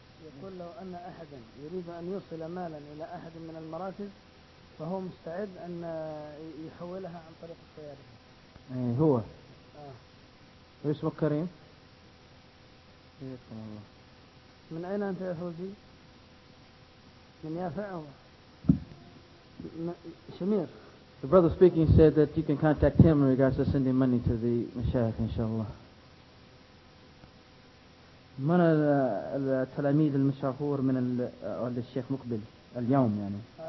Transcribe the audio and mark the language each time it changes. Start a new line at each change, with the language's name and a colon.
Arabic: يقول له أن أحدا يريد أن يوصل مالا إلى أحد من المراكز فهو مستعد أن يحولها عن طريق السيارة. هو. اسمه كريم. حياكم الله. من أين أنت يا فوزي؟ من يافع. شمير.
English: The brother speaking said that you can contact him in regards to sending money to the mashayikh, inshallah.
Arabic: من التلاميذ المشهور من الشيخ مقبل اليوم يعني؟